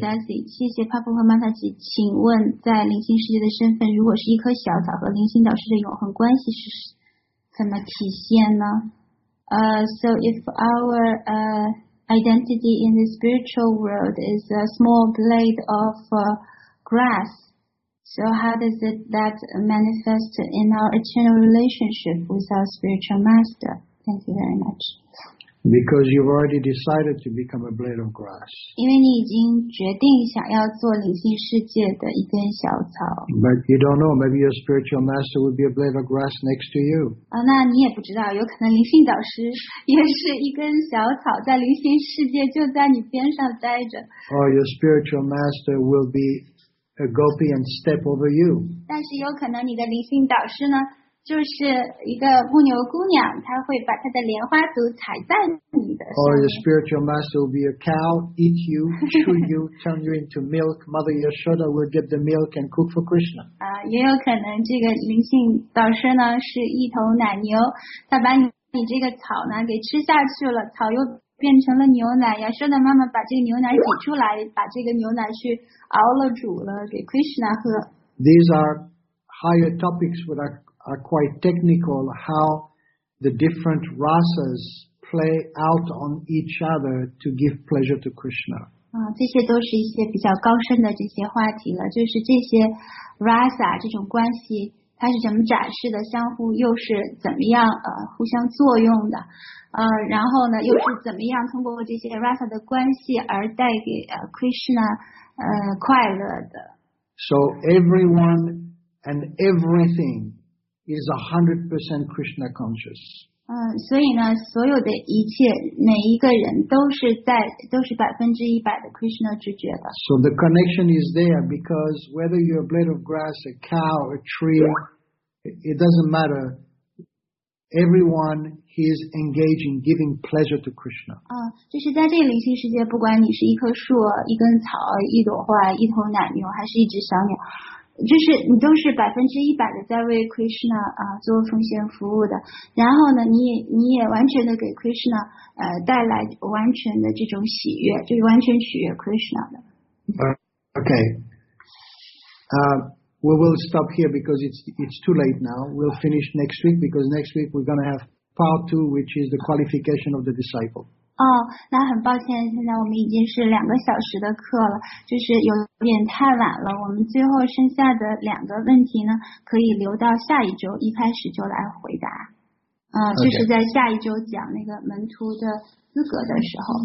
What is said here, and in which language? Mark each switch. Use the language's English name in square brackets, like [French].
[Chinese] 谢谢 Papu 和 Mataji 请问在灵性世界的身份如果是一颗小草和灵性导师的永恒关系是怎么体现呢 [English] So if our identity in the spiritual world is a small blade of grass so how does it that manifest in our eternal relationship with our spiritual master thank you very much Because you've already decided to become a blade of grass. [Chinese] 因为你已经决定想要做灵性世界的一根小草。 [English] But you don't know, maybe your spiritual master would be a blade of grass next to you. [Chinese] 那你也不知道，有可能灵性导师也是一根小草，在灵性世界就在你边上待着。 [English] Or your spiritual master will be a gopi and step over you. [Chinese] 但是有可能你的灵性导师呢？就是一个牧牛姑娘，她会把她的莲花足踩在你的。 [English] Or your spiritual master will be a cow, eat you, chew you, turn you into milk. Mother Yashoda will get the milk and cook for Krishna. [Chinese] 也有可能这个灵性导师呢是一头奶牛，他把你这个草呢给吃下去了，草又变成了牛奶。 Yashoda妈妈把这个牛奶挤出来，把这个牛奶去熬了煮了给 Krishna 喝。 [English] These are higher topics with our. Are quite technical how the different rasas play out on each other to give pleasure to Krishna. [Chinese] 这些都是一些比较高深的这些话题了就是这些 rasa 这种关系它是怎么展示的相互又是怎么样互相作用的然后呢又是怎么样通过这些 rasa 的关系而带给Krishna 快乐的。 [English] So everyone and everything is 100% Krishna conscious. [Chinese] 所以呢所有的一切每一个人都是100%的 Krishna 直觉的。 [English] So the connection is there because whether you're a blade of grass, a cow, a tree, it doesn't matter. Everyone is engaged in giving pleasure to Krishna. [Chinese] 就是在这个灵性世界不管你是一棵树一根草一朵花一头奶牛还是一只小鸟。就是你都是100%的在为 Krishna 做奉献服务的，然后呢，你也完全的给 Krishna 带来完全的这种喜悦，就是完全取悦 Krishna 的。 [English] Okay, we will stop here because it's too late now. We'll finish next week because next week we're going to have part two, which is the qualification of the disciple. [Chinese] 那很抱歉现在我们已经是两个小时的课了就是有点太晚了我们最后剩下的两个问题呢可以留到下一周一开始就来回答就是在下一周讲那个门徒的资格的时候